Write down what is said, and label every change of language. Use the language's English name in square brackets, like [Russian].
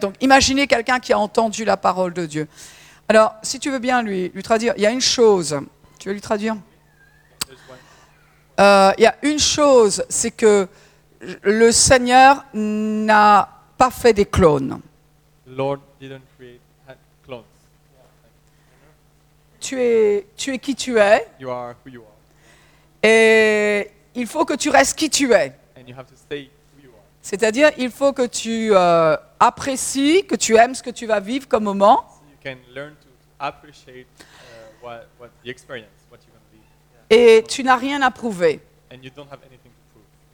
[French] Donc, imaginez quelqu'un qui a entendu la parole de Dieu. Alors, si tu veux bien lui traduire, il y a une chose. Tu veux lui traduire ? Il y a une chose, c'est que le Seigneur n'a pas fait des clones. [English] The Lord didn't create clones. [French] Tu es qui tu es. [English] You are who you are. [French] Et il faut que tu restes qui tu es. [English] And you have to stay who you are. [French] C'est-à-dire, il faut que tu apprécies, que tu aimes ce que tu vas vivre comme moment. [English] Can learn to appreciate what the experience, what you're gonna be. [French] Et tu n'as rien à prouver. [English] And you don't have anything to prove.